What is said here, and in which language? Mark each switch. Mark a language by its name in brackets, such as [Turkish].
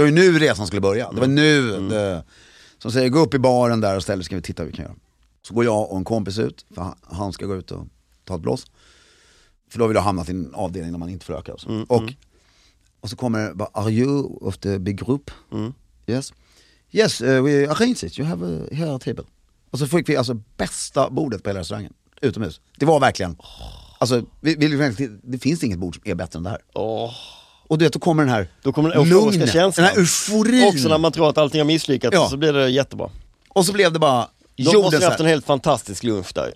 [Swedish] var ju nu resan skulle börja. Det var nu. Mm. Det, som säger, gå upp i baren där och ställer, ska vi titta vad vi kan göra. Så går jag och en kompis ut. För han ska gå ut och ta ett blås. För då vill jag hamna till en avdelning när man inte får öka. Och så, och så kommer det, [English] are you of the big group? Mm. Yes. Yes, we arranged it. You have a here table. [Swedish] Och så fick vi alltså bästa bordet på hela restaurangen. Utomhus. Det var verkligen. Alltså, det finns inget bord som är bättre än det här. Och du vet, då kommer den här, då kommer den lugna känslan. Den här euforin. Också när man tror att allting har misslyckats, ja. Så blir det jättebra. Och så blev det bara, de måste ha haft en helt fantastisk lunch där.